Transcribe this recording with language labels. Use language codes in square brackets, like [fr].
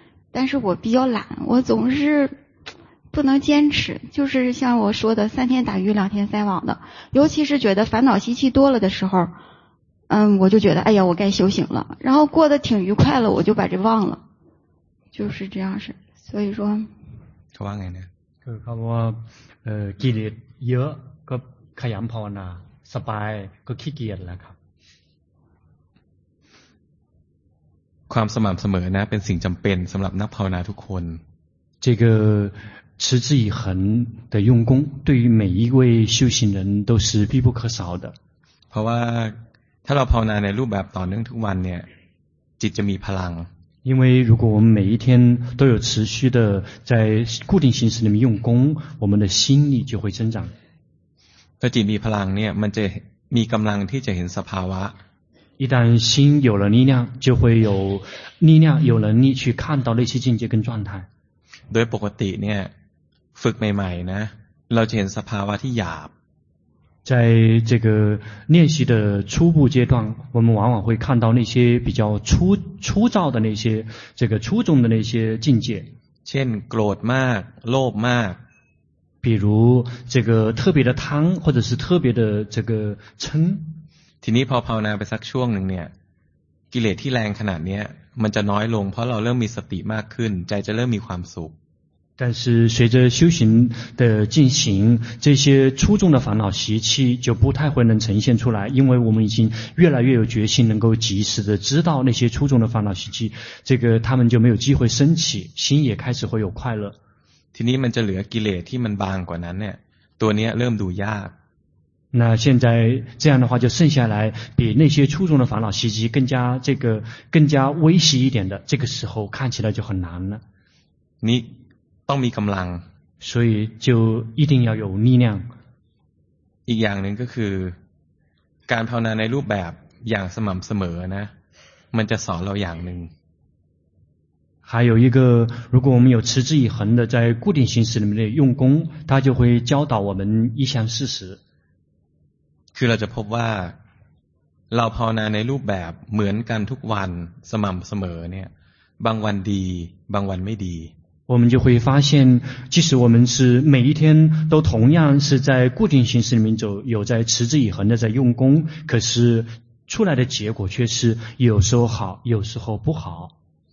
[zh] 但是我比较懒我总是不能坚持就是像我说的三天打鱼两天晒网的尤其是觉得烦恼习气多了的时候我就觉得哎呀我该修行了然后过得挺愉快了我就把这忘了就是这样式所以说他忘了呢他说纪律也他开阳炮呢失败他起纪律了 [th] ความสม่ำเสมอนะเป็นสิ่งจำเป็นสำหรับนักภาวนาทุกคน [zh] 这个持之以恒的用功对于每一位修行人都是必不可少的 [th] เพราะว่าถ้าเราภาวนาในรูปแบบต่อเนื่องทุกวันเนี่ยจิตจะมีพลัง [zh] 因为如果我们每一天都有持续的在固定形式里面用功我们的心力就会增长 [th] ถ้าจิตมีพลังเนี่ยมันจะมีกำลังที่จะเห็นสภาวะ [zh] 一旦心有了力量就会有力量有能力去看到那些境界跟状态 [th] โดยปกติเนี่ยฝึกใหม่ๆนะเราจะเห็นสภาวะที่หยาบ [zh] 在这个练习的初步阶段我们往往会看到那些比较粗糙的那些这个粗重的那些境界 [th] เช่นโกรธมากโลภมาก [zh] 比如这个特别的贪或者是特别的这个嗔 [th] ทีนี้พอภาวนาไปสักช่วงหนึ่งเนี่ยิเลสที่แรงขนาดนี้มันจะน้อยลงเพราะเราเริ่มมีสติมากขึ้นใจจะเริ่มมีความสุข [zh] 但是随着修行的进行，这些粗重的烦恼习气就不太会能呈现出来，因为我们已经越来越有决心，能够及时的知道那些粗重的烦恼习气，这个他们就没有机会升起，心也开始会有快乐。 [th] ที่นี้มันจะเหลือกิเลสที่มันบางกว่านั้นเนี่ยตัวนี้เริ่มดูยาก [zh] 那现在这样的话就剩下来比那些粗重的烦恼习气更加这个更加微细一点的，这个时候看起来就很难了。你 [th] ต้องมีกำลัง [zh] 所以就一定要有力量 [th] อีกอย่างหนึ่งก็คือการภาวนาในรูปแบบอย่างสม่ำเสมอนะมันจะสอนเราอย่างหนึ่ง [zh] 还有一个如果我们有持之以恒的在固定形式里面的用功它就会教导我们一项事实 [th] คือเราจะพบว่าเราภาวนาในรูปแบบเหมือนกันทุกวันสม่ำเสมอเนี่ยบางวันดีบางวันไม่ดี [zh] 我们就会发现即使我们是每一天都同样是在固定形式里面走有在持之以恒的在用功可是出来的结果却是有时候好有时候不好